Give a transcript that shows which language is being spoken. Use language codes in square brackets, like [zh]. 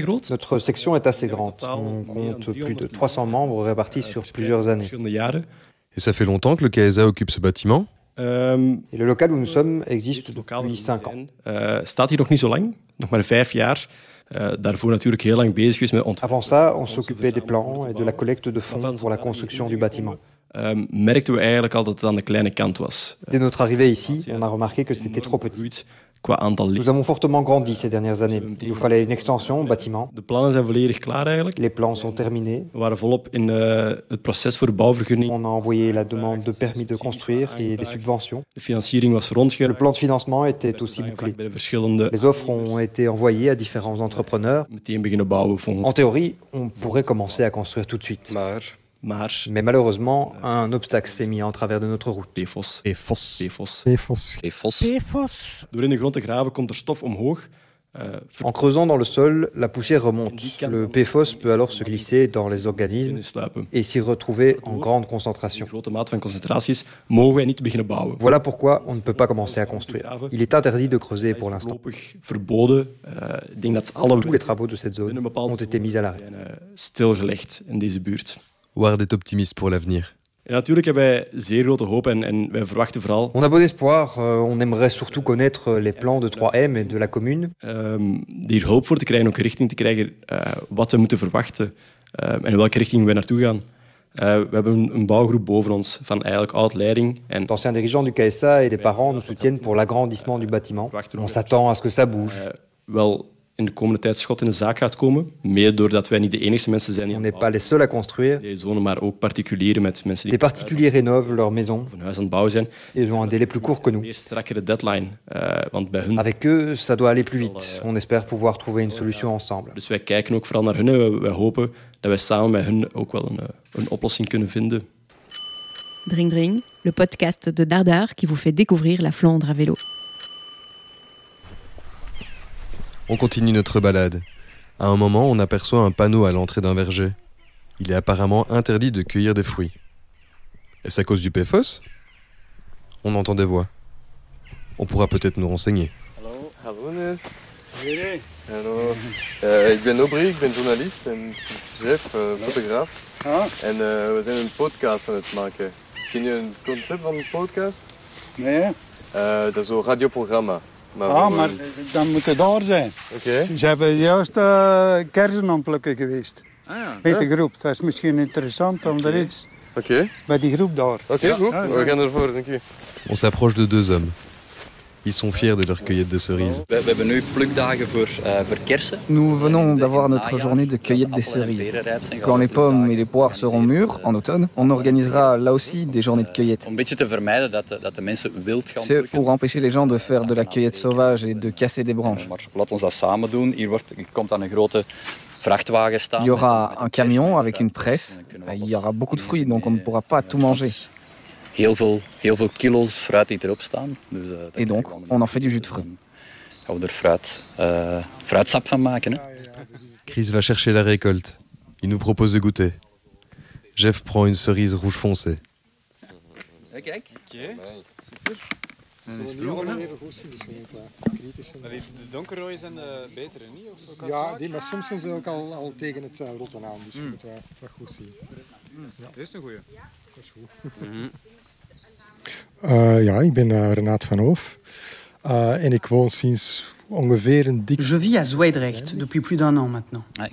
[fr] Notre section est assez grande. On compte plus de 300 membres répartis sur plusieurs années. Et ça fait longtemps que le CAESA occupe ce bâtiment ? Et le local où nous sommes existe depuis 5 ans. [nl] Staat hier nog niet zo lang, nog maar 5 jaar. Daarvoor natuurlijk heel lang bezig geweest met [fr] Avant ça, on s'occupait des plans et de la collecte de fonds pour la construction du bâtiment. [nl] Merkten we eigenlijk al dat het aan de kleine kant was. [fr] Dès notre arrivée ici, on a remarqué que c'était trop petit. [nl] Qua aantal [fr] lits. Nous avons fortement grandi ces dernières années. Il nous fallait une extension au bâtiment. [nl] De plannen zijn volledig klaar eigenlijk. [fr] Les plans sont terminés. [nl] We waren volop in het proces voor bouwvergunning. [fr] On a envoyé la demande de permis de construire et des subventions. [nl] De financiering was rondgegaan. [fr] Le plan de financement était aussi bouclé. Les offres ont été envoyées à différents entrepreneurs. [nl] Meteen beginnen bouwen van. [fr] En théorie, on pourrait commencer à construire tout de suite. Mais malheureusement, un obstacle s'est mis en travers de notre route. PFOS. PFOS. PFOS. PFOS. PFOS. PFOS. [nl] Door in de grond te graven komt er stof omhoog. [fr] En creusant dans le sol, la poussière remonte. Le PFOS peut alors se glisser dans les organismes et s'y retrouver en grande concentration. Voilà pourquoi on ne peut pas commencer à construire. Il est interdit de creuser pour l'instant. Tous les travaux de cette zone ont été mis à l'arrêt. Stilgelegd in deze buurt. Ward est optimiste pour l'avenir. [nl] Et natuurlijk hebben wij zeer grote hoop en wij verwachten vooral. [fr] On a bon espoir, on aimerait surtout connaître les plans de 3M et de la commune. [nl] Hier hulp voor te krijgen, ook richting te krijgen wat we moeten verwachten en in welke richting we naartoe gaan. We hebben een bouwgroep boven ons van eigenlijk oud-leiding. [fr] D'anciens dirigeants du CAESA et des parents nous soutiennent pour l'agrandissement du bâtiment. On s'attend à ce que ça bouge. [nl] Wel. In de komende tijd schot in de zaak gaat komen, meer doordat wij niet de enige mensen zijn die [fr] on n'est pas les seuls à construire. [nl] Deze zone, maar ook particulieren met mensen die [fr] des particuliers rénovent leur maison. [nl] Van huis aan het bouwen zijn. [fr] Ils ont un délai plus court que nous. [nl] Meer strakkere deadline, want bij hun. [fr] Avec eux, ça doit aller plus vite. On espère pouvoir trouver une solution ensemble. [nl] Dus wij kijken ook vooral naar hun. Wij hopen dat wij samen met hun ook wel een oplossing kunnen vinden. [fr] Dring Dring, le podcast de Dardar qui vous fait découvrir la Flandre à vélo. On continue notre balade. À un moment, on aperçoit un panneau à l'entrée d'un verger. Il est apparemment interdit de cueillir des fruits. Est-ce à cause du PFOS ? On entend des voix. On pourra peut-être nous renseigner. [nl] Hallo meneer. Hallo. Ik ben Aubry, ik ben journalist en chef, fotograaf. En we zijn een podcast aan het maken. Ken je een concept van een podcast? Nee. Dat is een radioprogramma. Maar dan moet het daar zijn. Oké. Okay. Ze hebben juist kersen ontplukken geweest. Met de groep. Dat is misschien interessant om er iets... Oké. Bij die groep daar. Oké, goed. We gaan ervoor. Dank je. [fr] On s'approche de deux hommes. Ils sont fiers de leur cueillette de cerises. [nl] We hebben nu plukdagen voor kersen. [fr] Nous venons d'avoir notre journée de cueillette des cerises. Quand les pommes et les poires seront mûres, en automne, on organisera là aussi des journées de cueillette. [nl] Om een beetje te vermijden dat de mensen wild gaan. [fr] C'est pour empêcher les gens de faire de la cueillette sauvage et de casser des branches. [nl] Laat ons dat samen doen. Hier komt dan een grote vrachtwagen staan. [fr] Il y aura un camion avec une presse. Il y aura beaucoup de fruits, donc on ne pourra pas tout manger. [nl] Heel veel kilo's fruit die erop staan. Dus, [fr] et donc, on en fait du jus de fruit. [nl] Gaan we er fruitsap van maken. Hè? [fr] Chris va chercher la récolte. Il nous propose de goûter. Jeff prend une cerise rouge foncé. [nl] Kijk. Oké. Super. Dat is proeven, hè? Even goed zien, dus de donkerrooie zijn beter, niet? Ja, die, maar soms zijn ze ook al tegen het rotten aan. Dus moeten we goed zien. Dit is een goeie. Dat is goed. Ik ben Renaat van Hoof en ik woon sinds ongeveer een dik... [fr] Je vis à Zwijdrecht, depuis plus d'un an maintenant.